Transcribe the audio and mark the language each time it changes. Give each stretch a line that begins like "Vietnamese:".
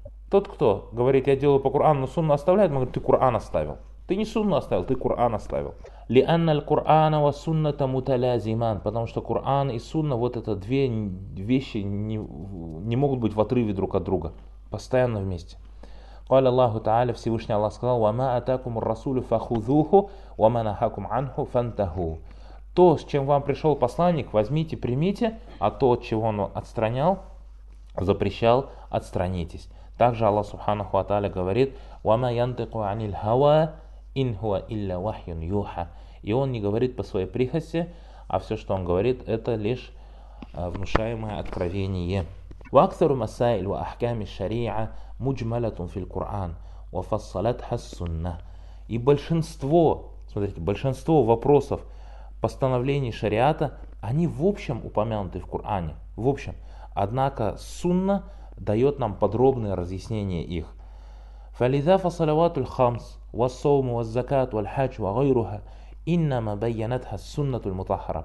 Russian: Тот, кто говорит, я делаю по Корану, но сунну оставляет, мы говорим, ты Коран оставил. Ты не сунну оставил, ты Коран оставил.
Arabic: لأن القرآن والسنة متلازمان,
Russian: потому что Коран и сунна, вот это две вещи не могут быть в отрыве друг от друга, постоянно вместе.
Arabic: قال الله تعالى,
Russian: Всевышний Аллах сказал:
Arabic: وما أتاكم الرسول فخذوه وما نهاكم عنه فانتهوا.
Russian: То, с чем вам пришел посланник, возьмите, примите, а то, от чего он отстранял, запрещал, отстранитесь. Также Аллах Субханаху ва Тааля говорит:
Arabic: وما ينطق عن الهوى إن هو إلا وحي يوحى.
Russian: И он не говорит по своей прихоти, а все, что он говорит, это лишь внушаемое откровение.
Arabic: وأكثر مسائل وأحكام الشريعة مجملة في القرآن وفصلتها السنة.
Russian: И большинство, смотрите, большинство вопросов постановлений шариата, они в общем упомянуты в Коране, в общем. Однако сунна дает нам подробное разъяснение их.
Arabic: فَلِذَا فَصَلَوَاتُ الْخَمْسِ وَالصَّوْمُ وَالزَّكَاةُ وَالْحَجُّ وَغَيْرُهَا إِنَّمَا بَيَّنَتْهَا السُّنَّةُ الْمُطَهَّرَةُ.